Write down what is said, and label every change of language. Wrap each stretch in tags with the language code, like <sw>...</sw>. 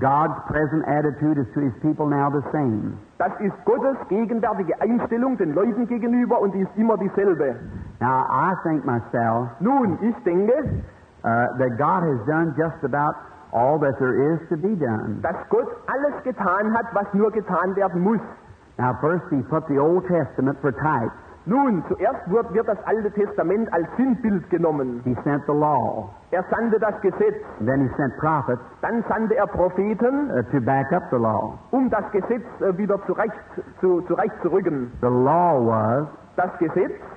<en>God's present attitude is to his people now the same.</en> <de>Das ist Gottes gegenwärtige Einstellung den Leuten gegenüber und die ist immer dieselbe.</de> <en>Now, I think myself,</en> <de>nun, ich denke,</de> <en>that God has done just about all that there is to be done.</en> <de>Dass Gott alles getan hat, was nur getan werden muss.</de> <en>Now, first he put the Old Testament for type.</en> <de>Nun, zuerst wird das Alte Testament als Sinnbild genommen.</de> <en>He sent the law.</en> <de>Er sandte das Gesetz.</de> <en>Then he sent prophets.</en> <de>Dann sandte er Propheten.</de> <en>To back up the law.</en> <de>Um das Gesetz wieder zurechtzurücken.</de> <en>The law was.</en> <de>Das Gesetz.</de>